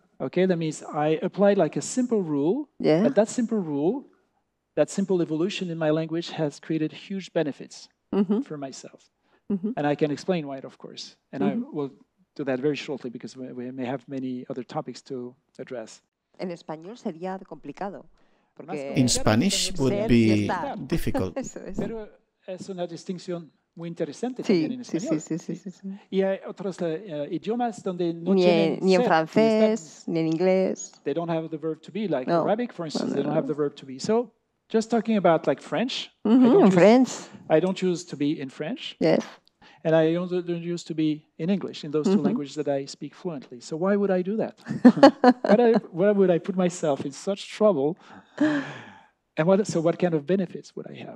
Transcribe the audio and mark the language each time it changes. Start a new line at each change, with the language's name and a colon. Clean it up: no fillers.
English: Okay, that means I applied like a simple rule, yeah. but that simple rule, that simple evolution in my language has created huge benefits mm-hmm. for myself. Mm-hmm. And I can explain why, of course. And mm-hmm. I will do that very shortly because we may have many other topics to address.
Spanish: En español sería complicado. In Spanish would be difficult. Es una distinción muy interesante también en español. Sí, sí, sí, sí, sí. Y hay otros idiomas donde no ni tienen ni en francés ni en inglés.
English: They don't have the verb to be, like no. Arabic, for instance. No, no, they don't have the verb to be. So, just talking about like French. Mm-hmm, I don't use to be in French. Yes. And I also don't use to be in English, in those mm-hmm. two languages that I speak fluently. So why would I do that? why would I put myself in such trouble? And what kind of benefits would I have?